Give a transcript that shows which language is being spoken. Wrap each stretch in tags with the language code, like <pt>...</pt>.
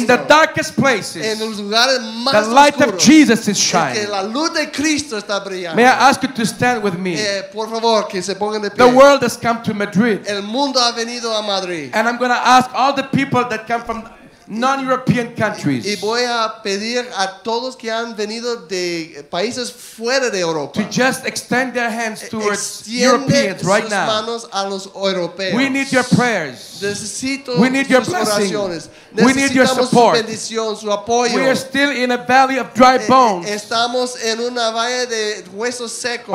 <en>In the darkest places,</en> <es>en los lugares más</es> <en>the light</en> <es>oscuros,</es> <en>of Jesus is shining.</en> <es>La luz de Cristo está brillando.</es> <en>May I ask you to stand with me?</en> <es>Por favor, que se pongan de pie.</es> <en>The world has come to Madrid.</en> <es>El mundo ha venido a Madrid.</es> <en>And I'm going to ask all the people that come from non-European countries.</en> <es>Y voy a pedir a todos que han venido de países fuera de Europa</es> <en>to just extend their hands towards Europeans right now.</en> <es>Extiende sus manos a los europeos.</es> <en>We need your prayers.</en> <es>Necesito</es> <en>we need</en> <es>sus oraciones.</es> <en>Blessings. We need your support.</en> <es>Bendición, su apoyo.</es> <en>We are still in a valley of dry bones.</en> <es>Estamos en una valle de huesos secos.</es>